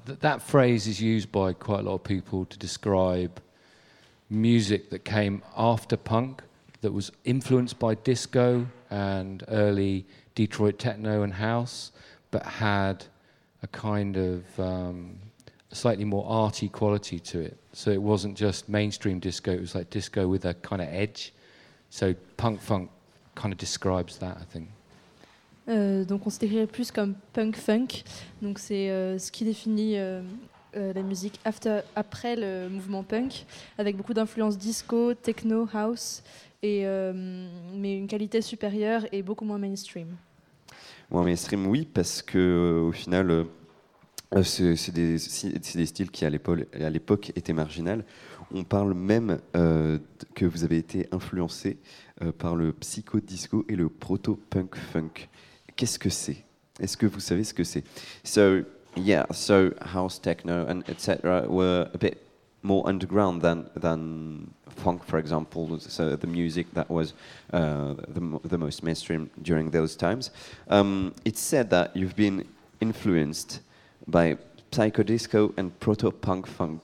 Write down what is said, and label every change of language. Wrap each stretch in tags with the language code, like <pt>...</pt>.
<en>That phrase is used by quite a lot of people to describe music that came after punk, that was influenced by disco and early Detroit techno and house, but had a kind of slightly more arty quality to it. So it wasn't just mainstream disco, it was like disco with a kind of edge. So punk funk kind of describes that, I think.</en> <fr>Donc on se décrirait plus comme punk funk, donc c'est ce qui définit la musique après le mouvement punk, avec beaucoup d'influences disco, techno, house, mais une qualité supérieure et beaucoup moins mainstream. Moins mainstream, oui, parce que au final, c'est des styles qui à l'époque étaient marginaux. On parle même que vous avez été influencé par le psychodisco et le proto-punk funk. Qu'est-ce que c'est? Est-ce que vous savez ce que c'est?</fr> <en>So house, techno and etc. were a bit more underground than funk, for example. So the music that was the most mainstream during those times. It's said that you've been influenced by psychodisco and proto-punk funk.</en>